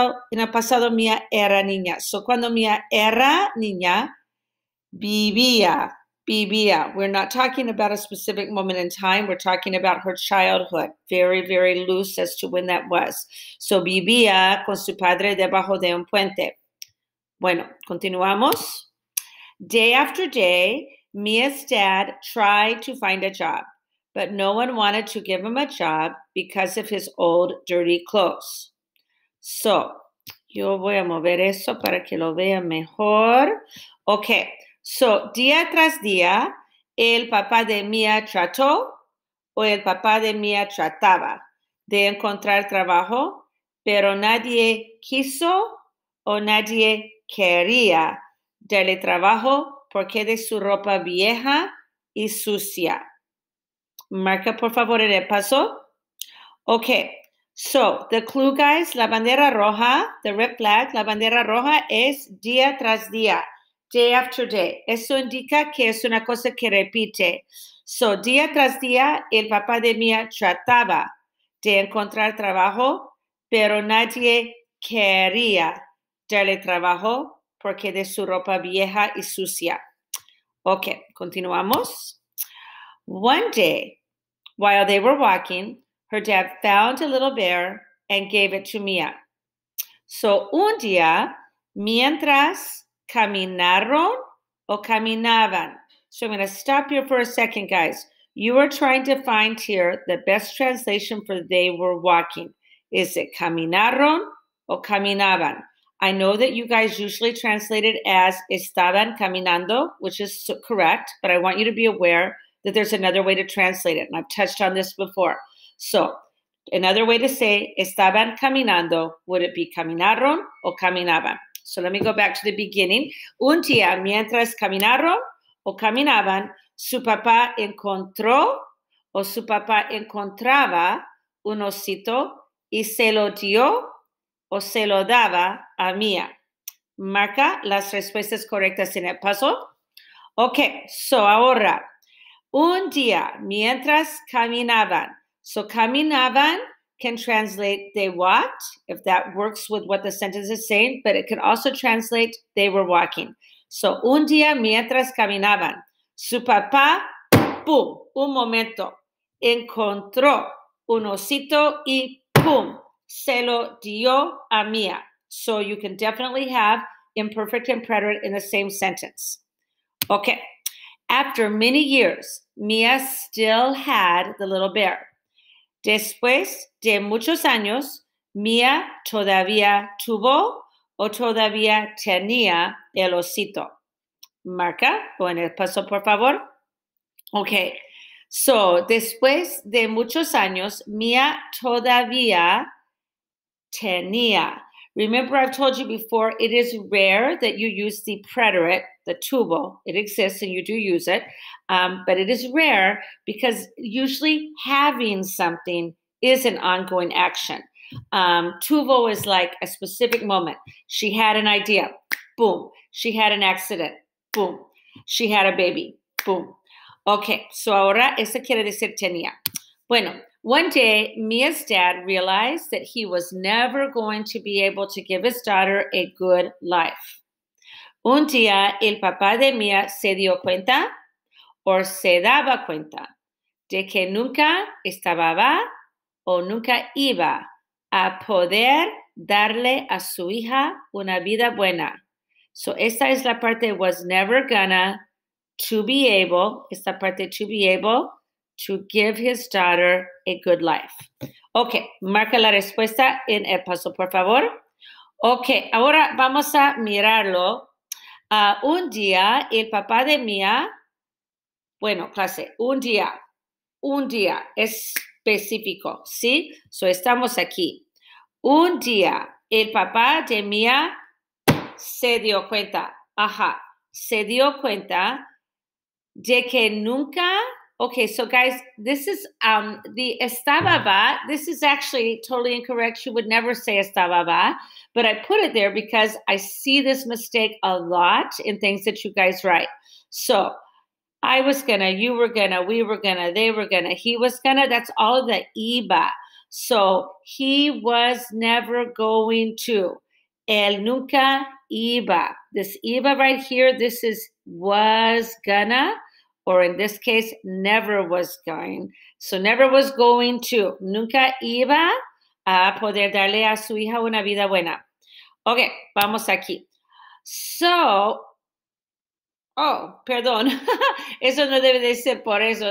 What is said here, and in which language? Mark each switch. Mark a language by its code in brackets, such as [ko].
[es] En el pasado, Mia era niña. So cuando Mia era niña, vivía. [en] We're not talking about a specific moment in time. We're talking about her childhood. Very, very loose as to when that was. [es] So vivía con su padre debajo de un puente. Bueno, continuamos. [en] Day after day, Mia's dad tried to find a job, but no one wanted to give him a job because of his old, dirty clothes. [es] So, yo voy a mover eso para que lo vea mejor. Okay. So, día tras día, el papá de Mía trató o el papá de Mía trataba de encontrar trabajo, pero nadie quiso o nadie quería darle trabajo porque de su ropa vieja y sucia. Marca, por favor, el paso. Okay. So, [en] the clue, guys, [es] la bandera roja, [en] the red flag, [es] la bandera roja es día tras día. [en] Day after day. [es] Eso indica que es una cosa que repite. So, día tras día, el papá de Mía trataba de encontrar trabajo, pero nadie quería darle trabajo porque de su ropa vieja y sucia. Ok, continuamos. [en] One day, while they were walking, her dad found a little bear and gave it to Mía. [es] So, un día, mientras caminaron o caminaban. [en] So I'm going to stop here for a second, guys. You are trying to find here the best translation for they were walking. Is it [es] caminaron o caminaban? [en] I know that you guys usually translate it as [es] estaban caminando, [en] which is correct, but I want you to be aware that there's another way to translate it, and I've touched on this before. So another way to say [es] estaban caminando, [en] would it be [es] caminaron o caminaban? [en] So let me go back to the beginning. [es] Un día, mientras caminaron o caminaban, su papá encontró o su papá encontraba un osito y se lo dio o se lo daba a Mía. Marca las respuestas correctas en el paso. [en] Ok, so [es] ahora, un día, mientras caminaban, [en] so caminaban, can translate they walked, if that works with what the sentence is saying, but it can also translate they were walking. [es] So, un día mientras caminaban, su papá, pum, un momento, encontró un osito y pum, se lo dio a Mía. [en] So, you can definitely have imperfect and preterite in the same sentence. Okay. After many years, Mia still had the little bear. [es] Después de muchos años, Mia todavía tuvo o todavía tenía el osito. Marca, bueno, paso por favor. Okay. So, después de muchos años, Mia todavía tenía. [en] Remember I've told you before, it is rare that you use the preterite, the tuvo. It exists and you do use it, but it is rare because usually having something is an ongoing action. Tuvo is like a specific moment. She had an idea. Boom. She had an accident. Boom. She had a baby. Boom. [es] Okay, so ahora eso quiere decir tenía. [en] Bueno, one day, Mia's dad realized that he was never going to be able to give his daughter a good life. [es] Un día, el papá de Mia se dio cuenta, o se daba cuenta, de que nunca estaba o nunca iba a poder darle a su hija una vida buena. [en] So, [es] esa es la parte, [en] was never gonna, to be able, [es] esta parte, [en] to be able, to give his daughter a good life. [es] Okay, marca la respuesta en el paso, por favor. Okay, ahora vamos a mirarlo. Un día, el papá de Mia, bueno, clase, un día, específico, ¿sí? So, estamos aquí. Un día, el papá de Mia se dio cuenta, ajá, se dio cuenta de que nunca. [en] Okay, so guys, this is the [es] estaba va. [en] This is actually totally incorrect. You would never say [es] estaba va, [en] but I put it there because I see this mistake a lot in things that you guys write. So I was gonna, you were gonna, we were gonna, they were gonna, he was gonna. That's all the iba. So he was never going to. [es] El nunca iba. [en] This iba right here, this is was gonna. Or in this case, never was going. So never was going to. [es] Nunca iba a poder darle a su hija una vida buena. Okay, vamos aquí. So, oh, perdón. Eso no debe de ser por eso.